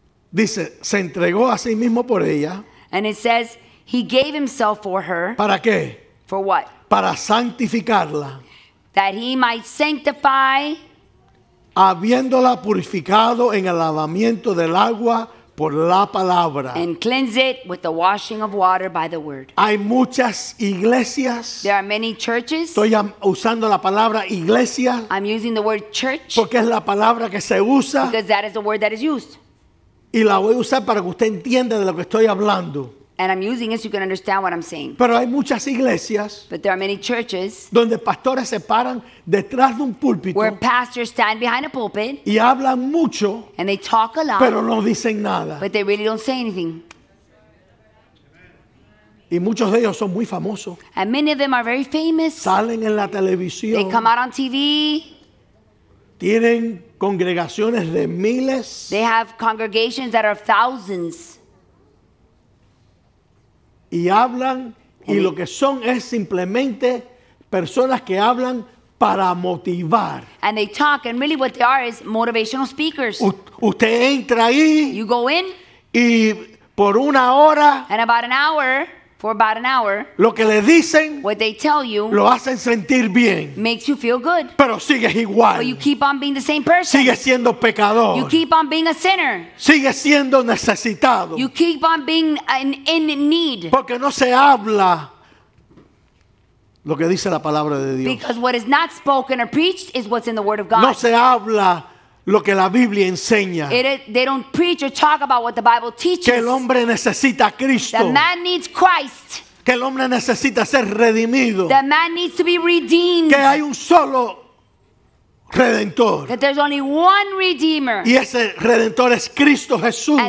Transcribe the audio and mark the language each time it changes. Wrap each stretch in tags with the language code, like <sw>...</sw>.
<es>Dice, se entregó a sí mismo por ella.</es> <en>And it says, he gave himself for her.</en> <es>¿Para qué?</es> <en>For what?</en> <es>Para santificarla.</es> <en>That he might sanctify.</en> <es>Habiéndola purificado en el lavamiento del agua por la palabra.</es> <en>And cleanse it with the washing of water by the word.</en> <es>Hay muchas iglesias.</es> <en>There are many churches.</en> <es>Estoy usando la palabra iglesia.</es> <en>I'm using the word church.</en> <es>Porque es la palabra que se usa.</es> <en>Because that is the word that is used.</en> <es>Y la voy a usar para que usted entienda de lo que estoy hablando.</es> <en>And I'm using it so you can understand what I'm saying.</en> <es>Pero hay muchas iglesias.</es> <en>But there are many churches.</en> <es>Donde pastores se paran detrás de un púlpito.</es> <en>Where pastors stand behind a pulpit.</en> <es>Y hablan mucho.</es> <en>And they talk a lot.</en> <es>Pero no dicen nada.</es> <en>But they really don't say anything.</en> <es>Y muchos de ellos son muy famosos.</es> <en>And many of them are very famous.</en> <es>Salen en la televisión.</es> <en>They come out on TV.</en> <es>Tienen congregaciones de miles.</es> <en>They have congregations that are thousands.</en> <es>Y hablan, y lo que son es simplemente personas que hablan para motivar.</es> <en>And they talk, and really what they are is motivational speakers.</en> <es>Usted entra ahí.</es> <en>You go in.</en> <es>Y por una hora.</es> <en>And about an hour. For about an hour.</en> <es>Lo que le dicen.</es> <en>What they tell you.</en> <es>Lo hacen sentir bien.</es> <en>Makes you feel good.</en> <es>Pero sigues igual.</es> <en>But you keep on being the same person.</en> <es>Sigues siendo pecador.</es> <en>You keep on being a sinner.</en> <es>Sigues siendo necesitado.</es> <en>You keep on being in need.</en> <es>Porque no se habla lo que dice la palabra de Dios.</es> <en>Because what is not spoken or preached is what's in the word of God.</en> <es>No se habla lo que la Biblia enseña.</es> <en>They don't preach or talk about what the Bible teaches.</en> <es>Que el hombre necesita a Cristo.</es> <en>The man needs Christ.</en> <es>Que el hombre necesita ser redimido.</es> <en>The man needs to be redeemed.</en> <es>Que hay un solo Redentor.</es> <en>That there's only one Redeemer.</en> <es>Y ese Redentor es Cristo Jesús.</es>